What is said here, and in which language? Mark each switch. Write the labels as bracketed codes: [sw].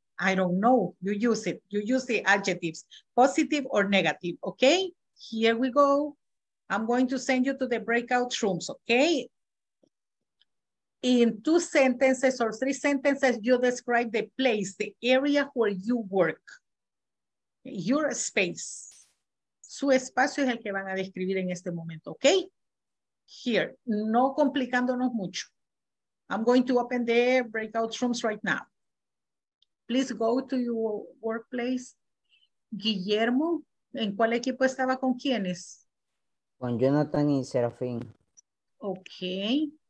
[en] I don't know. You use it. You use the adjectives, positive or negative. Okay. Here we go. I'm going to send you to the breakout rooms. Okay. In two sentences or three sentences, you describe the place, the area where you work. Your space. [es] Su espacio es el que van a describir en este momento. Okay. Here. No complicándonos mucho. [en] I'm going to open the breakout rooms right now. Please go to your workplace. [es] Guillermo, ¿en cuál equipo estaba con quiénes? Con Jonathan y Serafín. Okay.